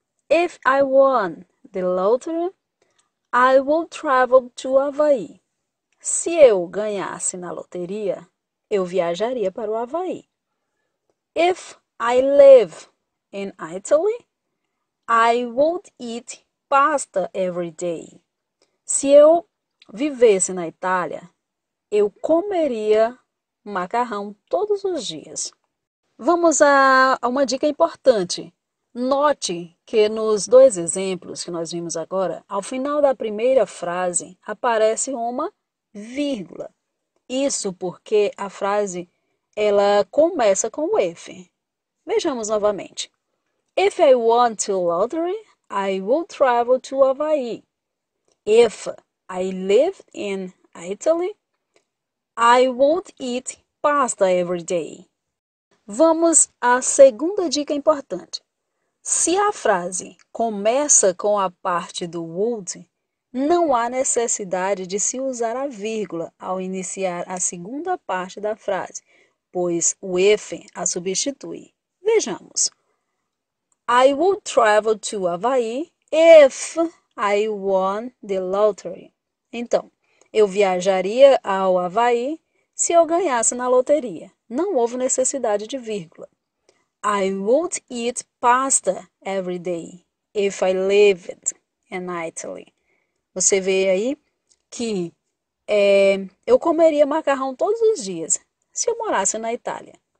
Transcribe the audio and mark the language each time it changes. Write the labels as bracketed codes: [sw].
[en] If I won the lottery, I would travel to Hawaii. [pt] Se eu ganhasse na loteria, eu viajaria para o Hawaii. [en] If I live in Italy, I would eat pasta every day. [pt] Se eu vivesse na Itália, eu comeria macarrão todos os dias. Vamos a uma dica importante. Note que nos dois exemplos que nós vimos agora, ao final da primeira frase aparece uma vírgula. Isso porque a frase ela começa com o if. Vejamos novamente. [en] If I won the lottery, I will travel to Hawaii. If I live in Italy, I won't eat pasta every day. [pt] Vamos à segunda dica importante. Se a frase começa com a parte do would, não há necessidade de se usar a vírgula ao iniciar a segunda parte da frase, pois o if a substitui. Vejamos. [en] I will travel to Hawaii if I won the lottery. [pt] Então, eu viajaria ao Hawaii se eu ganhasse na loteria. Não houve necessidade de vírgula. [en] I would eat pasta every day if I lived in Italy. [pt] Você vê aí que eu comeria macarrão todos os dias se eu morasse na Itália.